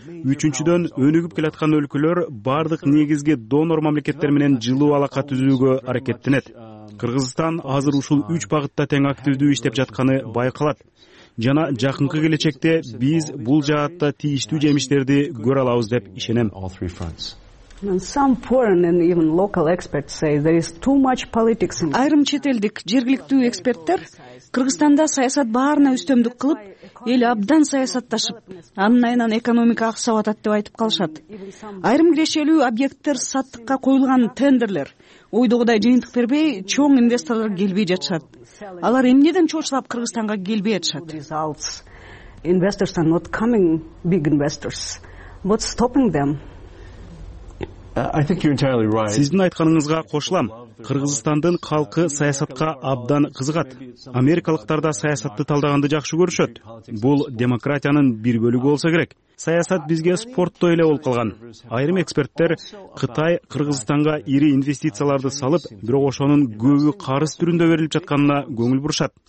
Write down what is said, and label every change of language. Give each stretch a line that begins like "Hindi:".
Kyrgyz: Үчүнчүдөн, өнүгүп келаткан өлкөлөр баардык негизги донор мамлекеттер менен жылуу алака түзүүгө аракеттенет. Кыргызстан азыр ушул 3 багытта тең активдүү иштеп жатканы байкалат. Жана жакынкы келечекте биз бул жаатта тийиштүү жемиштерди көрө алабыз деп ишенем.
English: Some foreign and even local experts say there is too much politics in.
Kyrgyz: Айрым чет элдик жергиликтүү эксперттер Кыргызстанда саясат баарына үстөмдүк кылып, эл абдан саясатташып, анын айынан экономика аксап атат деп айтып калышат. Айрым кирешелүү объекттер саттыкка коюлган тендерлер ойдогудай жыйынтык бербей, чоң инвесторлор келбей жатышат. Алар эмнеден чочулап Кыргызстанга келбей жатышат?
English: Investors are not coming, big investors. What's stopping them? I think you're entirely right.
Kyrgyz: Сиздин айтканыңызга кошулам. Кыргызстандын халкы саясатка абдан кызыгат. Америкалыктар да саясатты талдаганды жакшы көрүшөт. Бул демократиянын бир бөлүгү болсо керек. Саясат бизге спорттой эле болуп калган. Айрым эксперттер Кытай Кыргызстанга ири инвестицияларды салып, бирок ошонун көбү карыз түрүндө берилип жатканына көңүл бурушат.